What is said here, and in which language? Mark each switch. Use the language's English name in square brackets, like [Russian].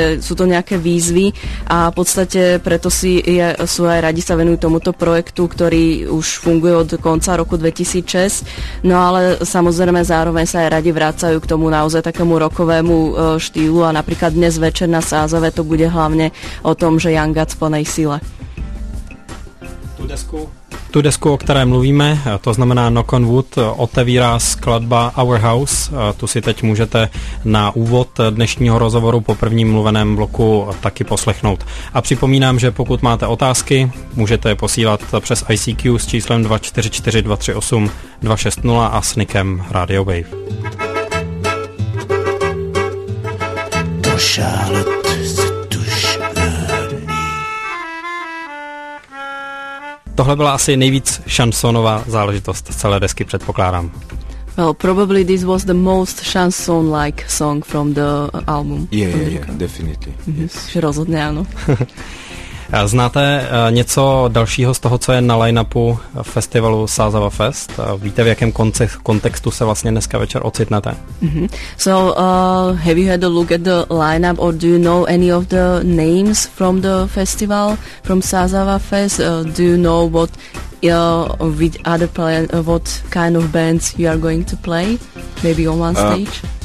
[Slovak] sú to nejaké výzvy a v podstate preto sú aj radi sa venujú tomuto projektu, ktorý už funguje od konca roku 2006, no ale samozrejme zároveň sa aj radi vracajú k tomu naozaj takému rokovému štýlu a napríklad dnes večer na Sázave to bude hlavne o tom, že Young Gods plnej sile. [Czech] Tu desku, o které mluvíme, to znamená Knock on Wood, otevírá skladba Our House. Tu si teď můžete na úvod dnešního rozhovoru po prvním mluveném bloku taky poslechnout. A připomínám, že pokud máte otázky, můžete je posílat přes ICQ s číslem 244-238-260 a s nickem Radio Wave. Tohle byla asi nejvíc šansonová záležitost z celé desky, předpokládám. [English] Well, probably this was the most chanson-like song from the album. Yeah, definitely. [Czech] Mm-hmm. [English] Yes. [Czech] Rozhodně ano. Znáte něco dalšího z toho, co je na line-upu festivalu Sázava Fest? Víte, v jakém kontextu se vlastně dneska večer ocitnete? Mm-hmm. [English] So, have you had a look at the line-up or do you know any of the names from the festival, from Sázava Fest? Do you know what with other what kind of bands you are going to play? Maybe on one stage?